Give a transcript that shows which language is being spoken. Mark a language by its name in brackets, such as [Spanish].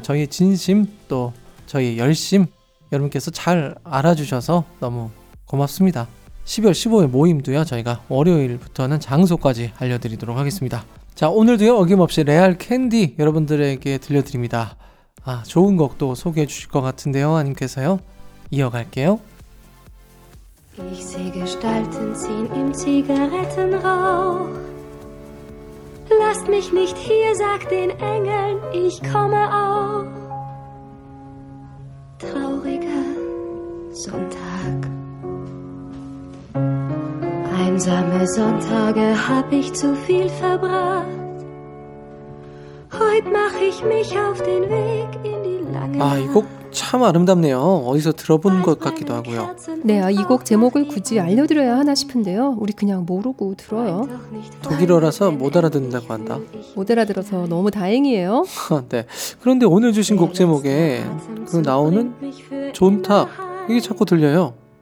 [Korean] 저희의 진심 또 저희의 열심 여러분께서 잘 알아주셔서 너무 고맙습니다. 12월 15일 모임도요. 저희가 월요일부터는 장소까지 알려드리도록 하겠습니다. 자, 오늘도요. 어김없이 레알 캔디 여러분들에게 들려드립니다. 아, 좋은 곡도 소개해 주실 것 같은데요. 아님께서요. 이어갈게요. [German] Ich sehe Gestalten ziehen im Zigarettenrauch. Lasst mich nicht hier, sagt den Engeln, ich komme auch. Trauriger Sonntag. Einsame Sonntage hab ich zu viel verbracht. Heute mach ich mich auf den Weg in die lange Nacht. [Korean] 아, 이 곡 참 아름답네요. 어디서 들어본 것 같기도 하고요. 네, 이 곡 제목을 굳이 알려드려야 하나 싶은데요. 우리 그냥 모르고 들어요. 독일어라서 못 알아듣는다고 한다. 못 알아들어서 너무 다행이에요. 네. 그런데 오늘 주신 곡 제목에 그 나오는 존탁 이게 자꾸 들려요.